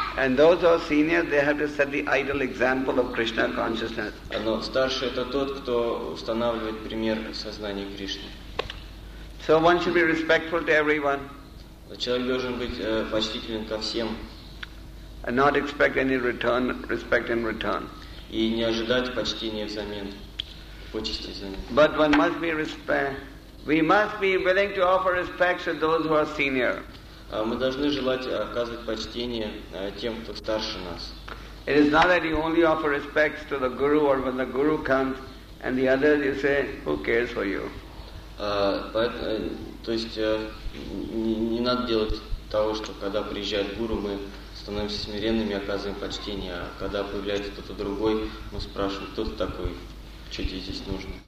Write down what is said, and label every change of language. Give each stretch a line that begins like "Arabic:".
English: And those who are senior, they have to set the ideal example of Krishna consciousness.
Russian: Но старший это тот, кто устанавливает пример сознания Кришны.
English: So one should be respectful to everyone.
Russian: Человек должен быть почтителен ко всем.
English: And not expect any return, respect in return.
Russian: И не ожидать почтения взамен, почести взамен.
English: But one must be We must be willing to offer respects to those who are senior.
Russian: Мы должны желать оказывать почтение тем, кто старше нас.
English: It is not that you only offer respects to the guru or when the guru comes, and the others you say, who cares for you?
Russian: То есть не надо делать того, что когда приезжает гуру, мы становимся смиренными, оказываем почтение, а когда появляется кто-то другой, мы спрашиваем, кто ты такой, что тебе здесь нужно?